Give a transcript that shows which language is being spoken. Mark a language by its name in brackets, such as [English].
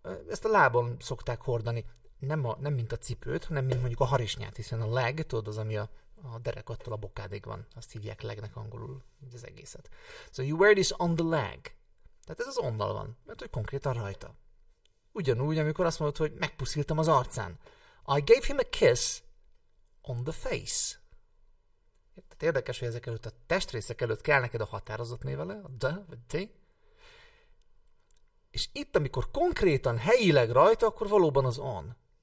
[Hungarian] Ezt a lábon szokták hordani, nem mint a cipőt, hanem mint mondjuk a harisnyát, hiszen a leg, tudod, az, ami a derekattól a bokádig van, azt hívják legnek angolul az egészet. [English] So you wear this on the leg. [Hungarian] Tehát ez az onnal van, mert hogy konkrétan rajta. Ugyanúgy, amikor azt mondod, hogy megpuszíltam az arcán. [English] I gave him a kiss on the face. [Hungarian] Tehát érdekes, hogy ezek előtt a testrészek előtt kell neked a határozott névele, a de vagy de. És itt, amikor konkrétan, helyileg rajta, akkor valóban az on.